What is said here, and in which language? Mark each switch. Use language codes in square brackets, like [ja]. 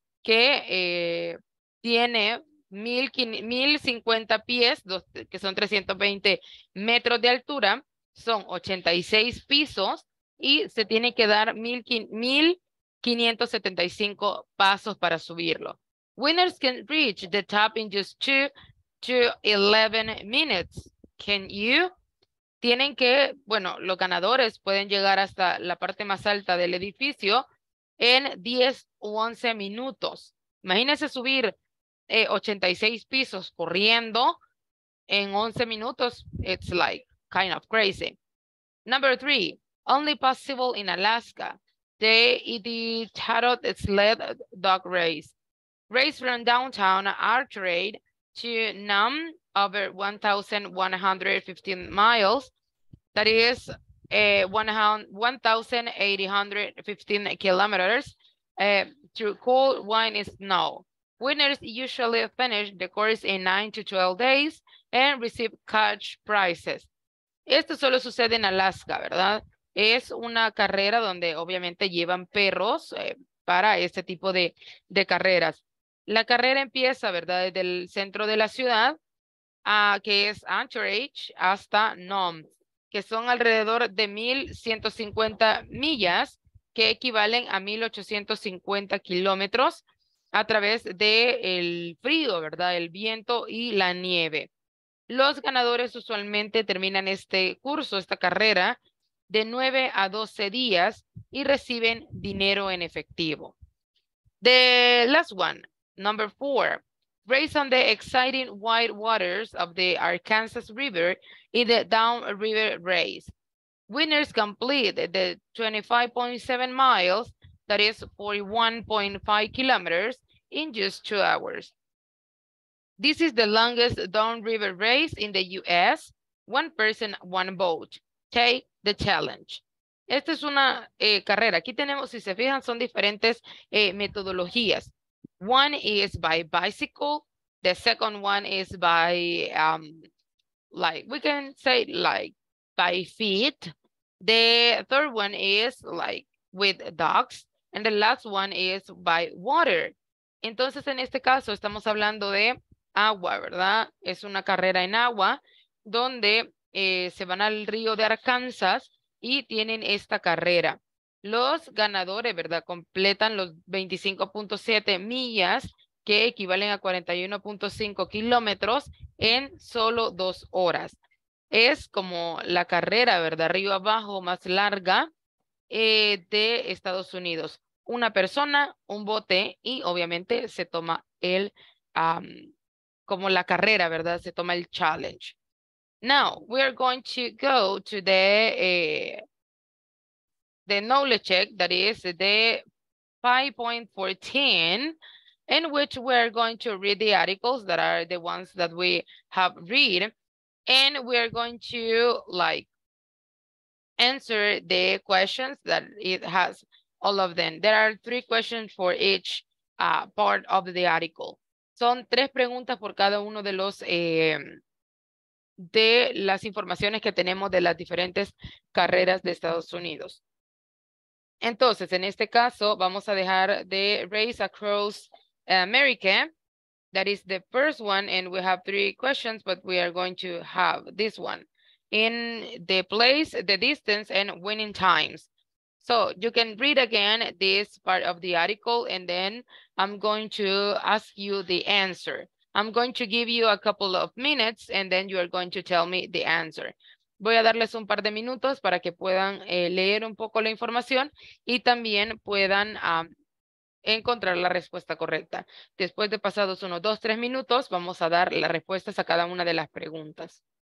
[es] Que tiene 1,050 pies, que son 320 metros de altura, son 86 pisos, y se tiene que dar 1,575 pasos para subirlo. [en] Winners can reach the top in just 2 to 11 minutes. Can you? [es] Tienen que, bueno, los ganadores pueden llegar hasta la parte más alta del edificio en 10 u 11 minutos. Imagínense subir 86 pisos corriendo en 11 minutos. [en] It's like kind of crazy. Number 3. Only possible in Alaska, the tarot sled dog race. Race from downtown Archrade to Nome over 1,115 miles, that is 1,815 kilometers, through cold, wind, and snow. Winners usually finish the course in 9 to 12 days and receive cash prizes. [es] Esto solo sucede en Alaska, ¿verdad? Es una carrera donde obviamente llevan perros para este tipo de carreras. La carrera empieza, ¿verdad?, desde el centro de la ciudad, que es Anchorage, hasta Nome, que son alrededor de 1,150 millas, que equivalen a 1,850 kilómetros a través del frío, ¿verdad?, el viento y la nieve. Los ganadores usualmente terminan este curso, esta carrera, de 9 a 12 días y reciben dinero en efectivo. [en] The last one, number 4, race on the exciting white waters of the Arkansas River in the Down River Race. Winners complete the 25.7 miles, that is 41.5 kilometers, in just 2 hours. This is the longest Down River Race in the US, one person, one boat. Take the challenge. [es] Esta es una carrera. Aquí tenemos, si se fijan, son diferentes metodologías. [en] One is by bicycle. The second one is by, by feet. The third one is like with dogs. And the last one is by water. [es] Entonces, en este caso, estamos hablando de agua, ¿verdad? Es una carrera en agua donde se van al río de Arkansas y tienen esta carrera. Los ganadores, ¿verdad?, completan los 25.7 millas, que equivalen a 41.5 kilómetros en solo 2 horas. Es como la carrera, ¿verdad?, río abajo más larga de Estados Unidos. Una persona, un bote, y obviamente se toma el, como la carrera, ¿verdad?, se toma el challenge. [en] Now, we are going to go to the knowledge check, that is the 5.14, in which we are going to read the articles that are the ones that we have read, and we are going to, like, answer the questions that it has, all of them. There are 3 questions for each part of the article. [es] Son 3 preguntas por cada uno de los de las informaciones que tenemos de las diferentes carreras de Estados Unidos. Entonces, en este caso, vamos a dejar de race across [en] America. That is the first one, and we have three questions, but we are going to have this one. In the place, the distance, and winning times. So you can read again this part of the article, and then I'm going to ask you the answer. I'm going to give you a couple of minutes, and then you are going to tell me the answer. [es] Voy a darles un par de minutos para que puedan leer un poco la información y también puedan encontrar la respuesta correcta. Después de pasados unos 2-3 minutos, vamos a dar las respuestas a cada una de las preguntas.